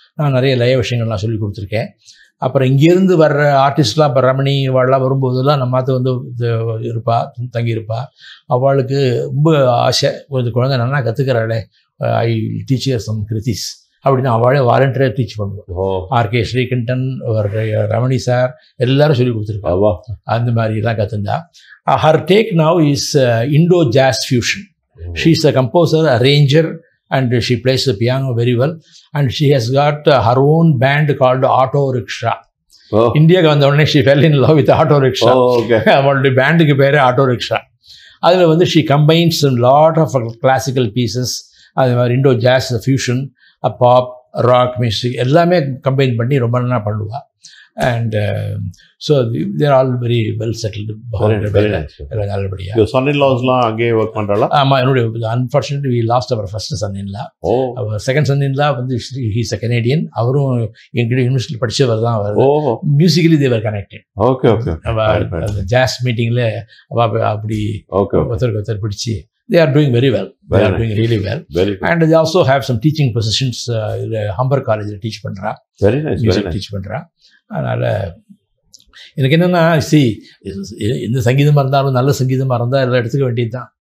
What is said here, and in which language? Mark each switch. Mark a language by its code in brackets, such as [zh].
[ta] நான் நிறைய லய விஷயங்கள்லாம் சொல்லி கொடுத்துருக்கேன். அப்புறம் இங்கேருந்து வர்ற ஆர்டிஸ்ட்லாம், இப்போ ரமணி வாழ்லாம் வரும்போதெல்லாம் நம்ம மாற்ற வந்து இருப்பா, தங்கியிருப்பா. அவளுக்கு ரொம்ப ஆசை, கொஞ்சம் குழந்தை நல்லா கற்றுக்கிறாளே, [en] I teach her some kritis [ta] அப்படின்னு அவளே வாலண்டியராக டீச் பண்ணுவோம். ஆர்கே ஸ்ரீகண்டன் அவர், ரமணி சார், எல்லாரும் சொல்லி கொடுத்துருக்கோம். அந்த மாதிரிலாம் கற்றுந்தா. [en] Her take now is Indo jazz fusion. She is a composer, arranger, and she plays the piano very well. And she has got her own band called Auto Rickshaw. Oh. India [ta] ka vandavane, [en] she fell in love with Auto Rickshaw. Oh, okay. [ta] Avalde band ku pere [en] Auto Rickshaw. [ta] Adhula vandu [en] she combines a lot of classical pieces, [ta] adhe maari [en] Indo jazz, the fusion, a pop, rock music, [ta] ellame combine panni romba nanna palluva. [en] And so they're all very well settled. Very nice. Your son-in-laws [ta] la ange work pandrala? Ama enude, [en] unfortunately we lost our first son-in-law. Oh. Our second son-in-law, he's a Canadian. [ta] Avaru engide university padicha varadha avaru. Oh. [en] Musically they were connected. Okay, okay. [ta] The jazz meeting le avu apdi [en] okay [ta] vathar padichi. [en] They are doing very well. Very they are doing really well. Very good. And they also have some teaching positions in Humber College. They teach pandra. Very nice. Music very nice. Teach pandra. [ta] அதனால் எனக்கு என்னென்னா, C எந்த சங்கீதமாக இருந்தாலும் நல்ல சங்கீதமாக இருந்தால் எல்லாம் எடுத்துக்க வேண்டியது தான்.